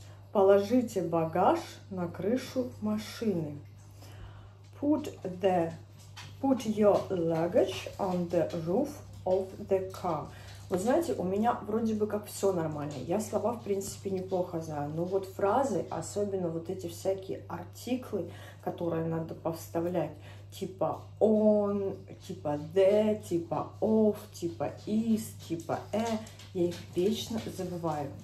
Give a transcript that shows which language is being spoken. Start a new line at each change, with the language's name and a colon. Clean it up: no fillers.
Russian: Положите багаж на крышу машины.
English: Put your luggage on the roof of the car.
Russian: Вот знаете, у меня вроде бы как все нормально. Я слова, в принципе, неплохо знаю. Но вот фразы, особенно вот эти всякие артиклы, которые надо повставлять, типа on, типа the, типа of, типа is, типа a, я их вечно забываю.